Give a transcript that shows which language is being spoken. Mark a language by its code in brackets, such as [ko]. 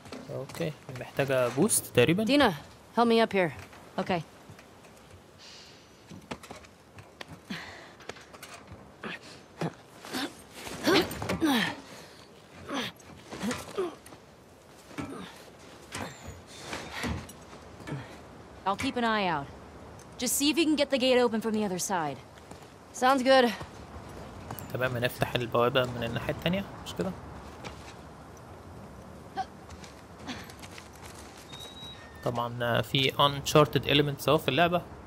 [ar] اوكي محتاجة بوست تقريبا. [en] دينا help me up here. [ar] اوكي [en] I'll keep an eye out. Just see if you can get the gate open from the other side. Sounds good. [ar] تمام هنفتح البوابة من الناحية التانية مش كده؟ طبعا في [en] uncharted elements [ar] اهو في اللعبة.